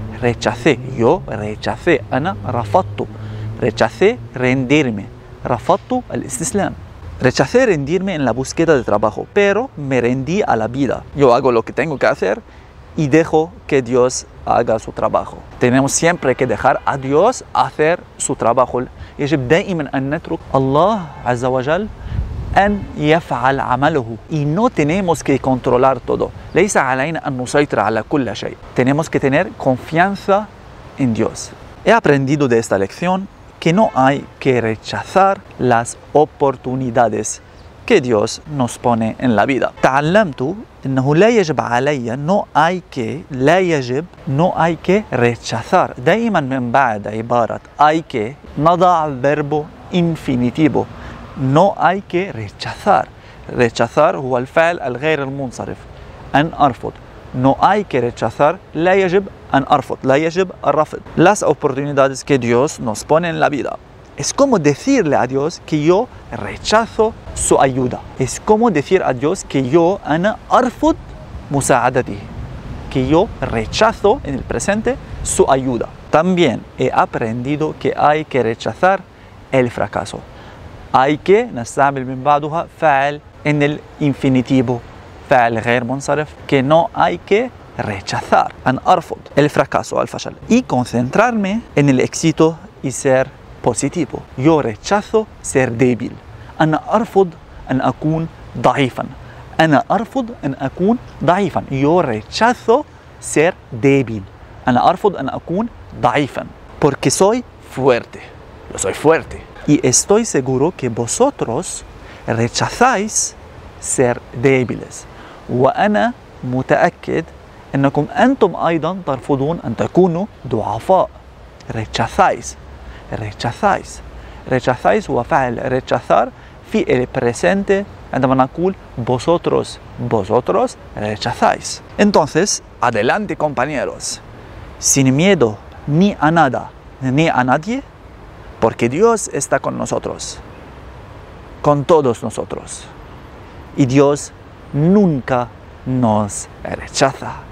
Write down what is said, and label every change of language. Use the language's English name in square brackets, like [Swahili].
[Spanish] Rechacé, yo rechacé, [Arabic] ana rafattu. [Spanish] Rechacé rendirme. [Arabic] Rafattu al istislam. [Spanish] Rechacé rendirme en la búsqueda de trabajo, pero me rendí a la vida. Yo hago lo que tengo que hacer y dejo que Dios haga su trabajo. Tenemos siempre que dejar a Dios hacer su trabajo. [Arabic] يجب دائما أن نترك الله عز وجل أن يفعل عمله. [Spanish] Y no tenemos que controlar todo. [Arabic] ليس علينا أن نسيطر على كل شيء. [Spanish] Tenemos que tener confianza en Dios. He aprendido de esta lección que no hay que rechazar las oportunidades que Dios nos pone en la vida. [Arabic] تعلمتُ أنه لا يجب علي, [Spanish] no hay que, [Arabic] لا يجب, [Spanish] no hay que rechazar. [Arabic] دائما من بعد عبارة hay que نضع [Spanish] verbo infinitivo. No hay que rechazar. Rechazar [Arabic] هو الفعل الغير المنصرف. أن أرفض. [Spanish] No hay que rechazar, [Arabic] لا يجب أن أرفض, لا يجب الرفض. [Spanish] Las oportunidades que Dios nos pone en la vida. Es como decirle a Dios que yo rechazo su ayuda. Es como decir a Dios que yo [Arabic] أنا أرفض مساعدته. [Spanish] Que yo rechazo en el presente su ayuda. También he aprendido que hay que rechazar el fracaso. Hay que [Arabic] نستعمل من بعدها فعل [Spanish] en el infinitivo. [Arabic] فعل غير منصرف, [Spanish] que no hay que rechazar, [Arabic] an arfud, [Spanish] el fracaso, [Arabic] al fashal, [Spanish] y concentrarme en el éxito y ser positivo. Yo rechazo ser débil, [Arabic] an arfud an akun daifan, an arfud an akun daifan. [Spanish] Yo rechazo ser débil, [Arabic] an arfud an akun daifan, [Spanish] porque soy fuerte, yo soy fuerte, y estoy seguro que vosotros rechazáis ser débiles. [Arabic] وأنا متأكد أنكم أنتم أيضا ترفضون أن تكونوا ضعفاء. [Spanish] rechazáis, rechazáis, rechazáis [Arabic] هو فعل [Spanish] rechazar في el presente [Arabic] عندما نقول [Spanish] vosotros, vosotros rechazáis. Entonces adelante compañeros, sin miedo ni a nada ni a nadie, porque Dios está con nosotros, con todos nosotros, y Dios nunca nos rechaza.